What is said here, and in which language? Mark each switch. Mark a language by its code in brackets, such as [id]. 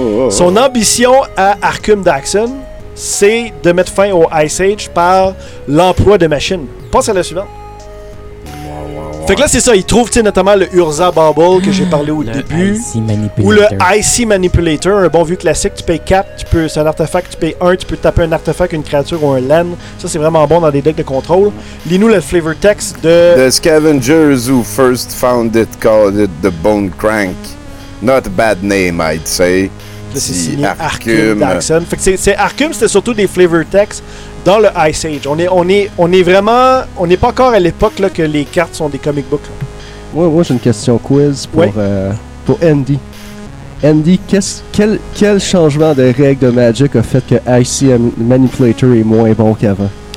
[fr] Son ambition à Arkum Daxon, c'est de mettre fin au Ice Age par l'emploi de machines. Passe à la suivante. Fait que là, c'est ça. Il trouve notamment le Urza Bauble que j'ai parlé au début. Ou le Icy Manipulator, un bon vieux classique. Tu payes 4, c'est un artefact, tu payes 1, tu peux taper un artefact, une créature ou un land. Ça, c'est vraiment bon dans des decks de contrôle. Lis-nous le flavor text de... [en] The Scavengers who first found it called it the Bone Crank. Not a bad name, I'd say. [fr] C'est Arkum Daxon. Fait que c'est Arkum, c'était surtout des flavor text dans le Ice Age. On n'est pas encore à l'époque là, que les cartes sont des comic books. Ouais, j'ai une question quiz pour Andy. Andy, quel changement de règles de Magic a fait que Icy Manipulator est moins bon qu'avant?